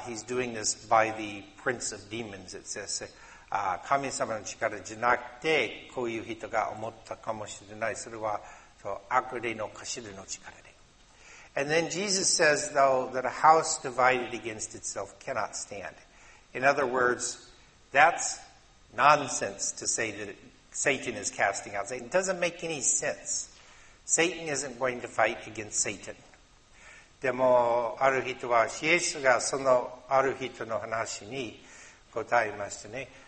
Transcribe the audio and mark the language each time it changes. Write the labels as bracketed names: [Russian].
[English] He's doing this by the prince of demons, it says. [Japanese] 神様の力じゃなくて、こういう人が思ったかもしれない。それは、そう、悪霊の頭の力で。 [English] And then Jesus says, though, that a house divided against itself cannot stand. In other words, that's nonsense to say that Satan is casting out Satan. It doesn't make any sense. Satan isn't going to fight against Satan. [Japanese] でもある人は、イエスがそのある人の話に答えましたね。